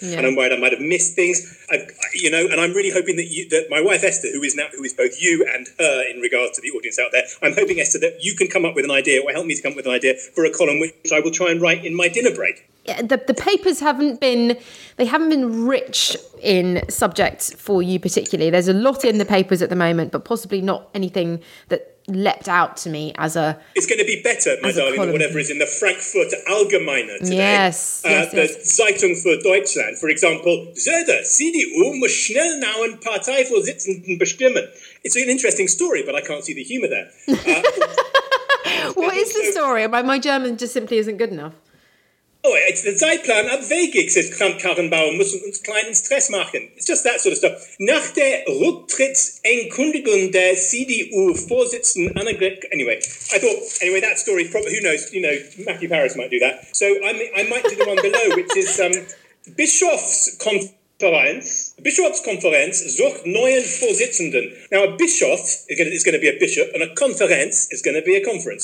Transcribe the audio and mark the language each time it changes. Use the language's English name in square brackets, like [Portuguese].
[English] Yeah. And I'm worried I might have missed things. And I'm really hoping that my wife Esther, who is both you and her in regards to the audience out there, I'm hoping, Esther, that you can come up with an idea or help me to come up with an idea for a column which I will try and write in my dinner break. The papers haven't been rich in subjects for you particularly. There's a lot in the papers at the moment, but possibly not anything that leapt out to me as a... It's going to be better, my darling, than whatever is in the Frankfurt Allgemeine today. Yes, [German] The Zeitung für Deutschland, [English] for example. [German] Söder, CDU muss schnell now ein Parteivorsitzenden bestimmen. [English] It's an interesting story, but I can't see the humour there. What is the story? My German just simply isn't good enough. Oh, it's the [German] Zeitplan abwegig, says Kramp-Karrenbauer, müssen uns kleinen Stress machen. [English] It's just that sort of stuff. [German] Nach der Rücktrittsankündigung der CDU-Vorsitzenden Annegret... [English] Anyway, that story, who knows, Matthew Paris might do that. So I might do the one below, which is [German] Bischofskonferenz sucht neuen Vorsitzenden. [English] Now, a bischof is going to be a bishop, and a conference is going to be a conference.